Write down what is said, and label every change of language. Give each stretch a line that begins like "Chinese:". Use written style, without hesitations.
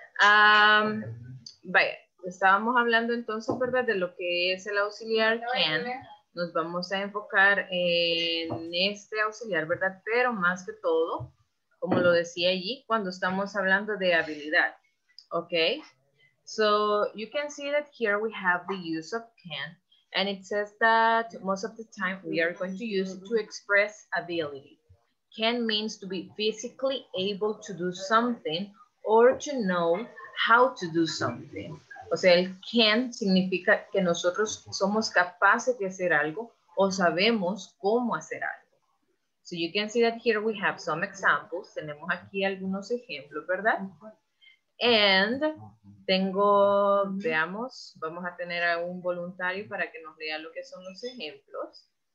Spanish: Vaya, estábamos hablando entonces, ¿verdad?, de lo que es el auxiliar can. Nos vamos a enfocar en este auxiliar, ¿verdad? Pero más que todo, como lo decía allí, cuando estamos hablando de habilidad, okay.
English: So you can see that here we have the use of can, and it says that most of the time we are going to use it to express ability. Can means to be physically able to do something or to know how to do something.
Spanish: O sea, el can significa que nosotros somos capaces de hacer algo o sabemos cómo hacer algo.
English: So you can see that here we have some examples.
Spanish: Tenemos aquí algunos ejemplos, ¿verdad? And tengo, veamos, vamos a tener a un voluntario para que nos lea lo que son los ejemplos.